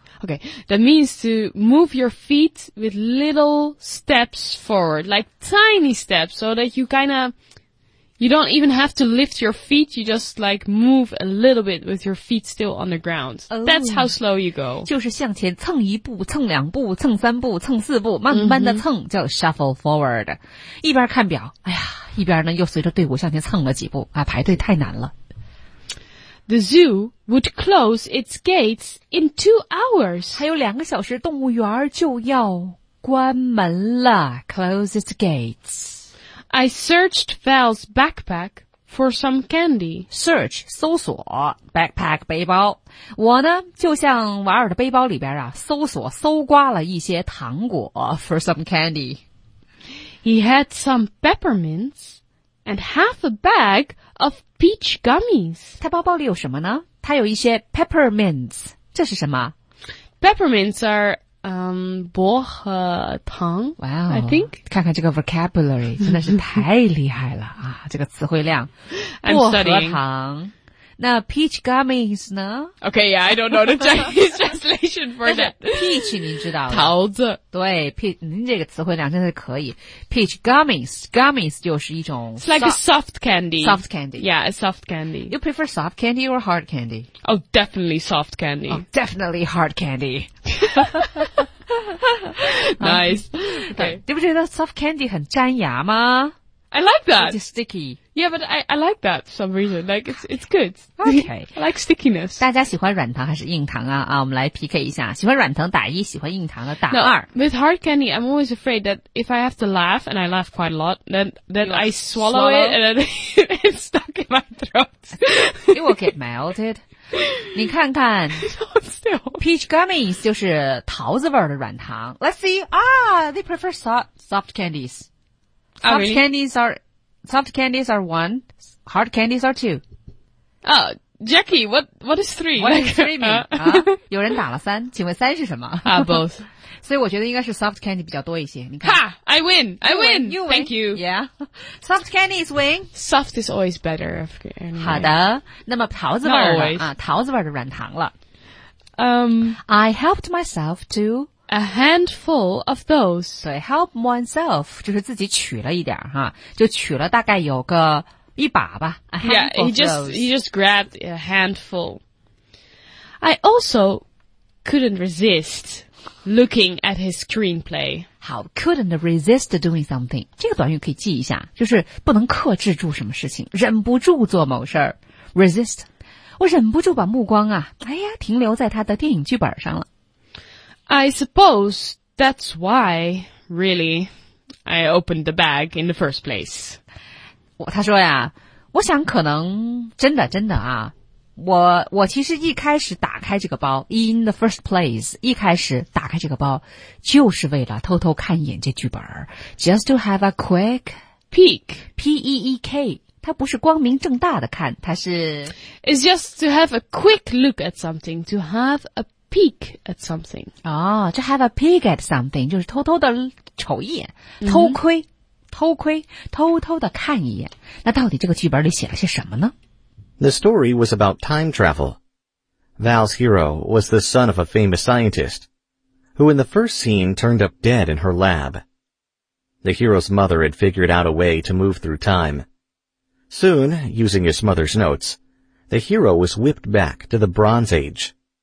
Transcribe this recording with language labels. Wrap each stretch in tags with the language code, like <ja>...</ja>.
<en>Okay, that means to move your feet with little steps forward, like tiny steps, so that you kind ofYou don't even have to lift your feet, you just like move a little bit with your feet still on the ground. That's how slow you go.</en> <zh>就是向前蹭一步，蹭两步，蹭三步，蹭四步，慢慢的蹭，叫</zh> <en>shuffle forward.</en> <zh>一边看表，哎呀，一边呢又随着队伍向前蹭了几步，啊，排队太难了。</zh> <en>The zoo would close its gates in 2 hours.</en> <zh>还有两个小时，动物园就要关门了，</zh> <en>close its gates. I searched Val's backpack for some candy.</en> <zh>Search, 搜索 backpack, 背包。我呢就像瓦尔的背包里边啊搜索搜刮了一些糖果</zh> <en>for some candy. He had some peppermints and half a bag of peach gummies.</en> <zh>他包包里有什么呢？他有一些 peppermints, 这是什么？</zh> <en>Peppermints are...</en> <zh>薄荷糖</zh> <en>wow, I think.</en> <zh>看看这个 vocabulary, 真的是太厉害了啊这个词汇量。</zh> <en>I'm</en> <zh>薄荷糖。那 peach gummies 呢</zh> <en>Okay, yeah, I don't know the Chinese translation for that.</en> <zh>Peach, 你知道桃子。对 peach, 您这个词汇量真的可以。 Peach gummies, gummies 就是一种</zh> <en>It's like a soft candy. Soft candy. Yeah, a soft candy. You prefer soft candy or hard candy? Oh, definitely soft candy. Oh, definitely hard candy. Nice. Okay.</en> <zh>你不觉得 soft candy 很粘牙吗？</zh> <en>I like that. It's sticky. Yeah, but I like that for some reason. Like, it's good. Okay. I like stickiness.</en> <zh>大家喜欢软糖还是硬糖啊？啊，我们来 PK 一下。喜欢软糖打一，喜欢硬糖的打二。</zh> <en>No, with hard candy, I'm always afraid that if I have to laugh, and I laugh quite a lot, then I swallow it, and then it's stuck in my throat. It will get melted.</en> <zh>你看看 peach gummies 就是桃子味的软糖。</zh> <en>Let's see. Ah, they prefer soft candies. Oh, really? Soft candies are one, hard candies are two. Oh, Jackie, what is three? What is three mean?</en> <zh>有人打了三，请问三是什么？</zh> <en>Both.</en> <zh>所以我觉得应该是 soft candy 比较多一些。你看</zh> <en>Ha! I win! I win! You win! Thank you! Yeah. Soft candy is win! Soft is always better. Anyway.</en> <zh>好的。那么桃子味的、桃子味的软糖了。</zh> <en>I helped myself to... A handful of those.</en> <zh>对 ,</zh> <en>help oneself,</en> <zh>就是自己取了一点哈就取了大概有个一把吧 ,</zh> <en>a handful yeah, of those. Yeah, he just grabbed a handful. I also couldn't resist looking at his screenplay. 好 ,couldn't resist doing something.</en> <zh>这个短语可以记一下就是不能克制住什么事情忍不住做某事儿 ,resist. 我忍不住把目光啊哎呀停留在他的电影剧本上了。</zh> <en>I suppose that's why, really, I opened the bag in the first place.</en> <zh>他说呀，我想可能真的真的啊，我其实一开始打开这个包 ，</zh> <en>in the first place，</en> <zh>一开始打开这个包，就是为了偷偷看一眼这剧本 ，</zh> <en>just to have a quick peek.</en> <zh>P-E-E-K， 它不是光明正大的看，它是</zh> <en>，it's just to have a quick look at something. To have a peek at something. Oh, to have a peek at something,</en> <zh>就是偷偷的瞅一眼、偷窥、偷窥、偷偷的看一眼。那到底这个剧本里写了些什么呢？</zh> <en>The story was about time travel. Val's hero was the son of a famous scientist, who in the first scene turned up dead in her lab. The hero's mother had figured out a way to move through time. Soon, using his mother's notes, the hero was whipped back to the Bronze Age.</en>